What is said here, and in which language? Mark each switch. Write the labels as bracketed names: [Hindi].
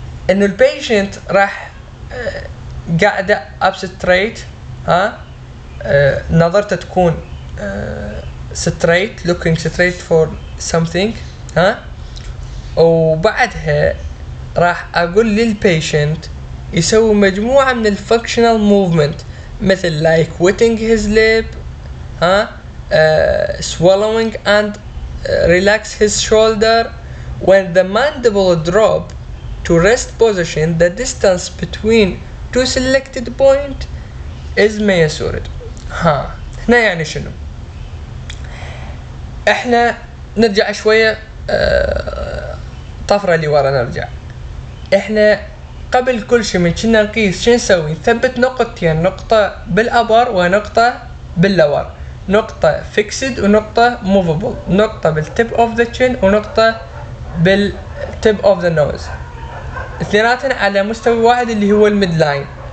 [Arabic] إنه البيشنت راح قاعدة أبستريت، ها نظرته تكون ستريت، [English] looking straight for something، [Arabic] ها وبعدها راح أقول للبيشنت يسوي مجموعة من الفانكشنال موفمنت مثل [English] like wetting his lip، [Arabic] ها [English] swallowing and relax his shoulder. When the mandible drop to rest position, the distance between two selected point is measured. [Arabic] ها هنا يعني شنو؟ احنا نرجع شوية طفرة اللي ورا، نرجع احنا قبل كل شيء من كنا نقيس شنو نسوي؟ نثبت نقطتين، نقطة بالأبر ونقطة باللور، نقطة fixed ونقطة movable، نقطة بالtip of the chin ونقطة بالtip of the nose، اثنيناتهن على مستوى واحد اللي هو الميدلاين.